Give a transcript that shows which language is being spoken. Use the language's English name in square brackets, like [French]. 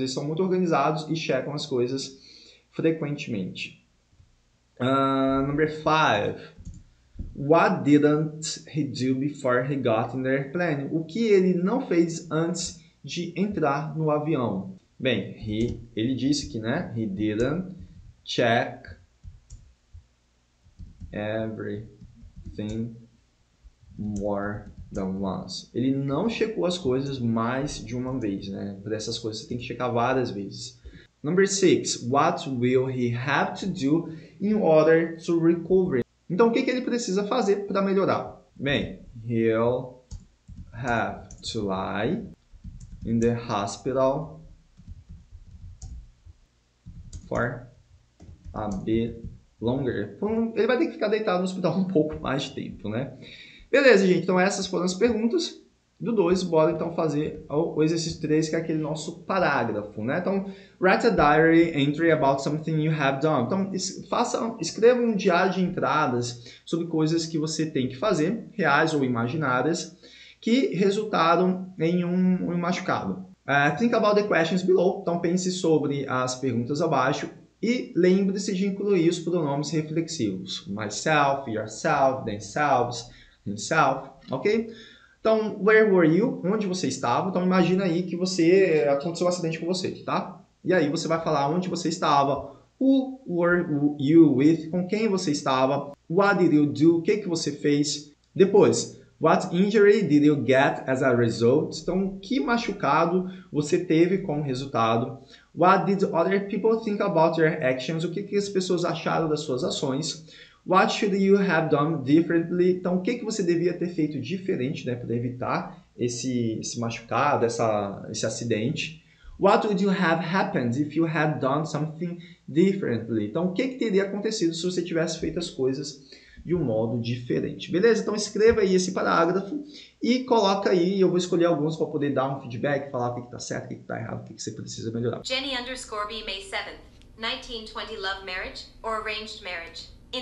[Portuguese] Eles são muito organizados e checam as coisas frequentemente. [English] Number 5. What didn't he do before he got in the airplane? [Portuguese] O que ele não fez antes de entrar no avião? Bem, ele disse que, né? [English] He didn't check everything more than once. [Portuguese] Ele não checou as coisas mais de uma vez, né? Para essas coisas você tem que checar várias vezes. [English] Number 6. What will he have to do in order to recover? [Portuguese] Então, o que que ele precisa fazer para melhorar? [English] Bem, he'll have to lie in the hospital for a bit longer. [Portuguese] Ele vai ter que ficar deitado no hospital um pouco mais de tempo, né? Beleza, gente. Então, essas foram as perguntas do 2. Bora, então, fazer o exercício 3, que é aquele nosso parágrafo, né? [English] Então, write a diary entry about something you have done. [Portuguese] Então, escreva um diário de entradas sobre coisas que você tem que fazer, reais ou imaginárias, que resultaram em um machucado. [English] Think about the questions below. [Portuguese] Então, pense sobre as perguntas abaixo. E lembre-se de incluir os pronomes reflexivos. [English] Myself, yourself, themselves, himself, ok? [Portuguese] Então, [English] where were you? [Portuguese] Onde você estava? Então, imagina aí que você aconteceu um acidente com você, tá? E aí você vai falar onde você estava. [English] Who were you with? [Portuguese] Com quem você estava? [English] What did you do? [Portuguese] O que que você fez? [English] Depois, what injury did you get as a result? [Portuguese] Então, que machucado você teve como resultado? [English] What did other people think about your actions? [Portuguese] O que que as pessoas acharam das suas ações? [English] What should you have done differently? [Portuguese] Então, o que que você devia ter feito diferente, né, para evitar esse machucado, esse acidente? [English] What would you have happened if you had done something differently? [Portuguese] Então, o que que teria acontecido se você tivesse feito as coisas de um modo diferente? Beleza? Então, escreva aí esse parágrafo e coloca aí, eu vou escolher alguns para poder dar um feedback, falar o que está certo, o que está errado, o que você precisa melhorar. [English] Jenny underscore B, May 7th, 1920, love marriage or arranged marriage?